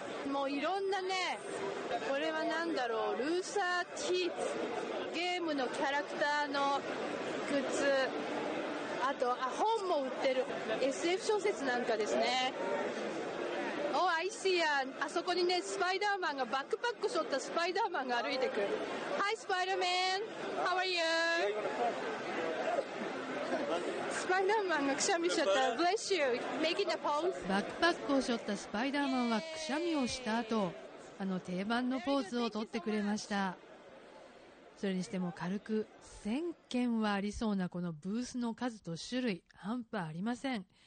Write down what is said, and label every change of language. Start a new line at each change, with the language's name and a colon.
Japanese: もういろんなね、これは何だろう、ルーサーティーツ、ゲームのキャラクターのグッズ、あと、あ、本も売ってる、 SF 小説なんかですね。おー、アイシアン、あそこにね、スパイダーマンが、バックパック背負ったスパイダーマンが歩いてくる。
English: Hi Spider-Man, how are you?
Japanese: スパイダーマンがくしゃみしちゃった。
English: Bless you, making a pose。
Japanese: バックパックを背負ったスパイダーマンはくしゃみをした後、あの定番のポーズを取ってくれました。それにしても軽く1000件はありそうなこのブースの数と種類、半端ありません。